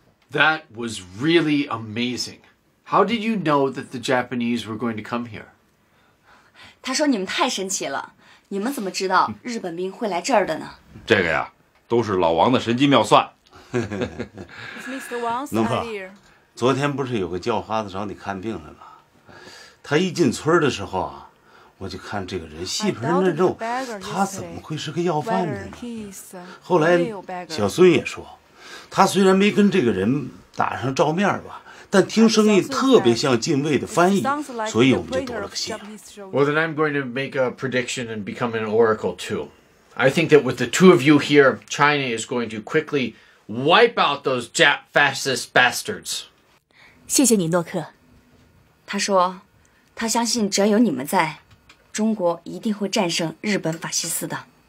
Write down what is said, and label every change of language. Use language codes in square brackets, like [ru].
[en] That was really amazing. How did you know that the Japanese were going to come here? [zh] 他说：“你们太神奇了，你们怎么知道日本兵会来这儿的呢？” 这个呀，都是老王的神机妙算。农夫，昨天不是有个叫花子找你看病来吗？他一进村的时候啊，我就看这个人细皮嫩肉，他怎么会是个要饭的呢？后来小孙也说，他虽然没跟这个人打上照面吧，但听声音特别像近卫的翻译，所以我们就多了个心。 [en] Well, then I'm going to make a prediction and become an oracle too. I think that with the two of you here, China is going to quickly wipe out those Jap fascist bastards. [zh] 谢谢你，诺克。他说，他相信只要有你们在，中国一定会战胜日本法西斯的。